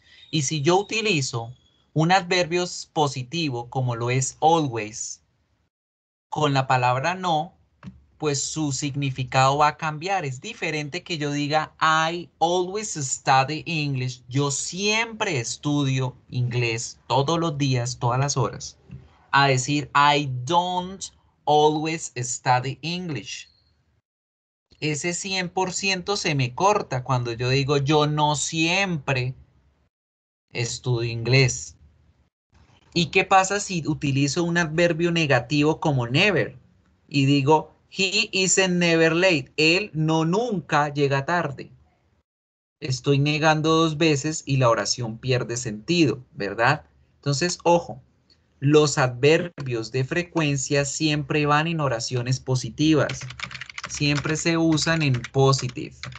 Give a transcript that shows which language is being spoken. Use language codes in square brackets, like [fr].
[es] Y si yo utilizo un adverbio positivo, como lo es always, con la palabra no, pues su significado va a cambiar. Es diferente que yo diga, [en] I always study English. [es] Yo siempre estudio inglés todos los días, todas las horas. A decir, [en] I don't always study English. [es] Ese 100% se me corta cuando yo digo, yo no siempre estudio inglés. ¿Y qué pasa si utilizo un adverbio negativo como never? Y digo, [en] he isn't never late. [es] Él no nunca llega tarde. Estoy negando dos veces y la oración pierde sentido, ¿verdad? Entonces, ojo, los adverbios de frecuencia siempre van en oraciones positivas. Siempre se usan en positive.